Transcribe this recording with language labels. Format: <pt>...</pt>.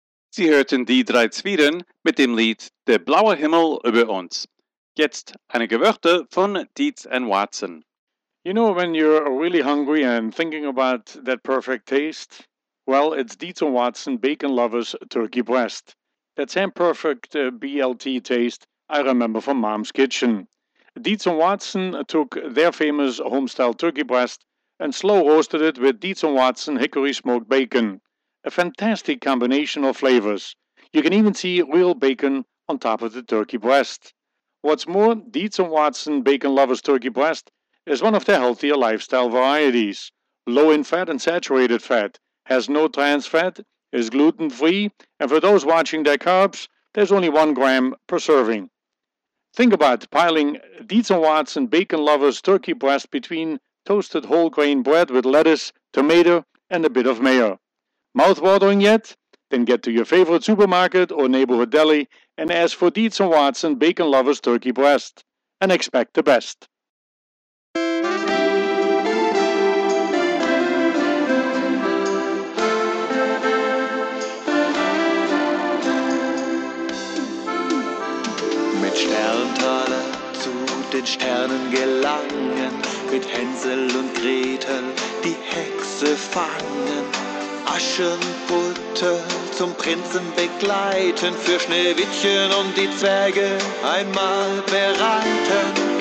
<de>Sie hörten die drei Zwieren mit dem Lied Der blaue Himmel über uns. Jetzt einige Wörter von Dietz and Watson.</de> <en>You know, when you're really hungry and thinking about that perfect taste? Well, it's Dietz and Watson Bacon Lovers Turkey Breast. That same perfect BLT taste I remember from Mom's Kitchen. Dietz and Watson took their famous homestyle turkey breast and slow roasted it with Dietz and Watson hickory smoked bacon. A fantastic combination of flavors. You can even see real bacon on top of the turkey breast. What's more, Dietz & Watson Bacon Lovers Turkey Breast is one of the healthier lifestyle varieties. Low in fat and saturated fat, has no trans fat, is gluten-free, and for those watching their carbs, there's only 1 gram per serving. Think about piling Dietz & Watson Bacon Lovers Turkey Breast between toasted whole grain bread with lettuce, tomato, and a bit of mayo. Mouth-watering yet? Then get to your favorite supermarket or neighborhood deli and ask for Dietz & Watson Bacon Lovers Turkey Breast. And expect the best.</en> <de>Mit Sterntaler zu den Sternen gelangen, mit Hänsel und Gretel die Hexe fangen, Aschenputtel zum Prinzen begleiten, für Schneewittchen und die Zwerge einmal bereiten.</de>